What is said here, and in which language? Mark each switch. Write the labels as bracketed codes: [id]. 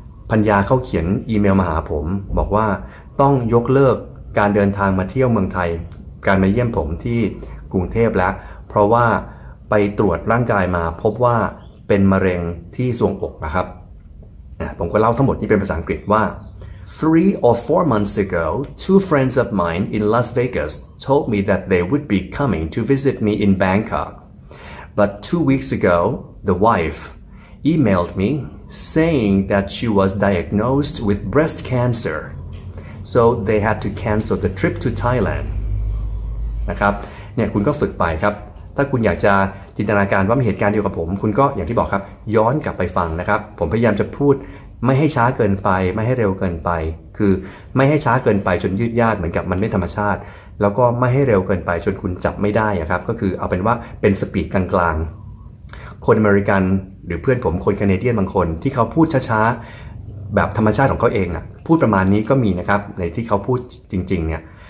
[th] ภรรยาเขาเขียนอีเมลมาหาผมบอกว่าต้องยกเลิกการเดินทางมาเที่ยวเมืองไทยการมาเยี่ยมผมที่กรุงเทพแล้วเพราะว่าไปตรวจร่างกายมาพบว่าเป็นมะเร็งที่ทรวงอกนะครับผมก็เล่าทั้งหมดนี้เป็นภาษาอังกฤษว่า [en] 3 or 4 months ago, two friends of mine in Las Vegas told me that they would be coming to visit me in Bangkok. But 2 weeks ago, the wife emailed me saying that she was diagnosed with breast cancer. So they had to cancel the trip to Thailand. [th] นะครับเนี่ยคุณก็ฝึกไปครับถ้าคุณอยากจะจินตนาการว่ามีเหตุการณ์เดียวกับผมคุณก็อย่างที่บอกครับย้อนกลับไปฟังนะครับผมพยายามจะพูดไม่ให้ช้าเกินไปไม่ให้เร็วเกินไปคือไม่ให้ช้าเกินไปจนยืดยาดเหมือนกับมันไม่ธรรมชาติแล้วก็ไม่ให้เร็วเกินไปจนคุณจับไม่ได้ครับก็คือเอาเป็นว่าเป็นสปีดกลางๆคนอเมริกันหรือเพื่อนผมคนแคนาเดียนบางคนที่เขาพูดช้าๆแบบธรรมชาติของเขาเองอ่ะพูดประมาณนี้ก็มีนะครับในที่เขาพูดจริงๆเนี่ย